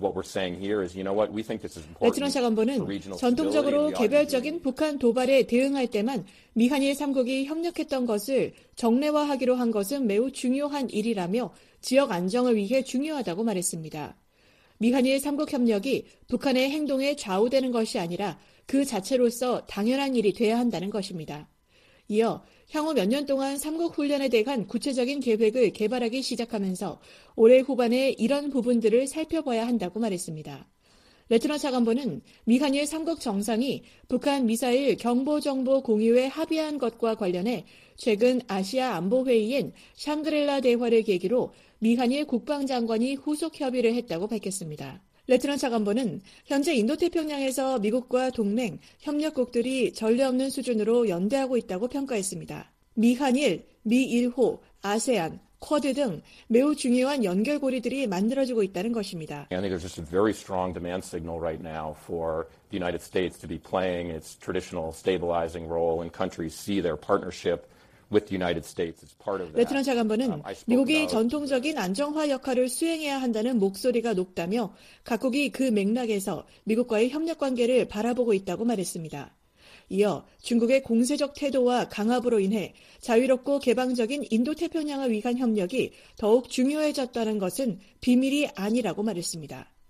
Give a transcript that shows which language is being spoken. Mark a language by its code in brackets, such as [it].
[en] What we're saying here is, you know what, we think this is important. [ko] 레트너 차관보는 전통적으로 개별적인 북한 도발에 대응할 때만 미한일 3국이 협력했던 것을 정례화하기로 한 것은 매우 중요한 일이라며 지역 안정을 위해 중요하다고 말했습니다. 미한일 3국 협력이 북한의 행동에 좌우되는 것이 아니라 그 자체로서 당연한 일이 돼야 한다는 것입니다. 이어 향후 몇 년 동안 3국 훈련에 대한 구체적인 계획을 개발하기 시작하면서 올해 후반에 이런 부분들을 살펴봐야 한다고 말했습니다. 레트너 차관보는 미한일 3국 정상이 북한 미사일 경보정보 공유에 합의한 것과 관련해 최근 아시아 안보회의인 샹그릴라 대화를 계기로 미한일 국방장관이 후속 협의를 했다고 밝혔습니다. 레트넌 차관보는 현재 인도태평양에서 미국과 동맹, 협력국들이 전례 없는 수준으로 연대하고 있다고 평가했습니다. 미한일, 미일호, 아세안, 쿼드 등 매우 중요한 연결고리들이 만들어지고 있다는 것입니다. [en] I think there's just a very strong demand signal right now for the United States to be playing its traditional stabilizing role and countries see their partnership. [ko] 레트넌 차관보는 미국이 전통적인 안정화 역할을 수행해야 한다는 목소리가 높다며 각국이 그 맥락에서 미국과의 협력 관계를 바라보고 있다고 말했습니다. 이어 중국의 공세적 태도와 강압으로 인해 자유롭고 개방적인 인도태평양을 위한 협력이 더욱 중요해졌다는 것은 비밀이 아니라고 말했습니다.